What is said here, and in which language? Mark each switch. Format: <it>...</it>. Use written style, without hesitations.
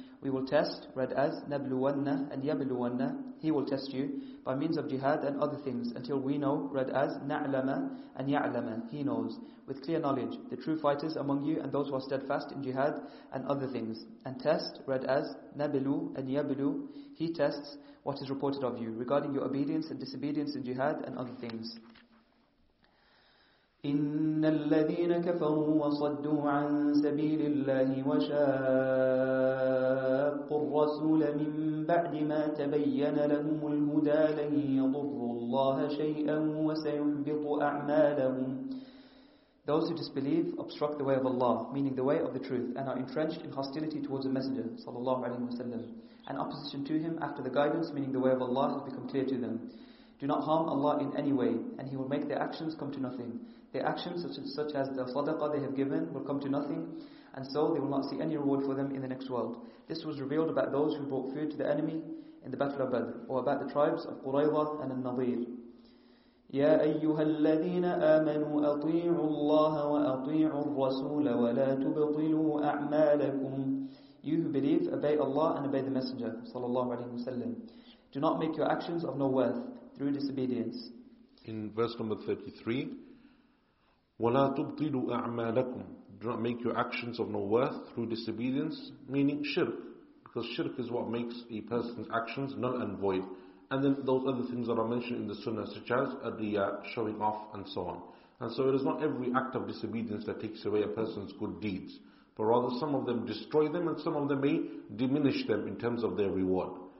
<en>We will test, read as نَبْلُوَنَّ and يَبْلُوَنَّ, He will test you by means of jihad and other things until we know, read as نَعْلَمَ and يَعْلَمَ, He knows, with clear knowledge, the true fighters among you and those who are steadfast in jihad and other things. And test, read as نَبْلُو and يَبْلُو, He tests what is reported of you regarding your obedience and disobedience in jihad and other things.</en> <ar>إن الذين كفروا وصدوا عن سبيل الله وشاقوا الرسول من بعد ما تبين لهم الهدى لن يضروا الله شيئا وسيحبط أعمالهم.</ar> <en>Those who disbelieve obstruct the way of Allah, meaning the way of the truth, and are entrenched in hostility towards the Messenger, sallallahu alaihi wasallam, and opposition to him after the guidance, meaning the way of Allah, has become clear to them. Do not harm Allah in any way, and He will make their actions come to nothing. Their actions, such as the sadaqah they have given, will come to nothing, and so they will not see any reward for them in the next world. This was revealed about those who brought food to the enemy in the Battle of Badr, or about the tribes of Qurayza and Al-Nadir.</en> <ar>يا أيها الذين آمنوا أطيعوا الله وأطيعوا الرسول ولا تبطلوا أعمالكم.</ar> <en>You who believe, obey Allah and obey the Messenger, صلى الله عليه وسلم. Do not make your actions of no worth through disobedience. In verse number 33,</en> <ar>ولا تبطلوا أعمالكم.</ar> <en>Do not make your actions of no worth through disobedience, meaning shirk, because shirk is what makes a person's actions null and void. And then those other things that are mentioned in the Sunnah, such as adiyah, showing off, and so on. And so it is not every act of disobedience that takes away a person's good deeds, but rather some of them destroy them and some of them may diminish them in terms of their reward.</en>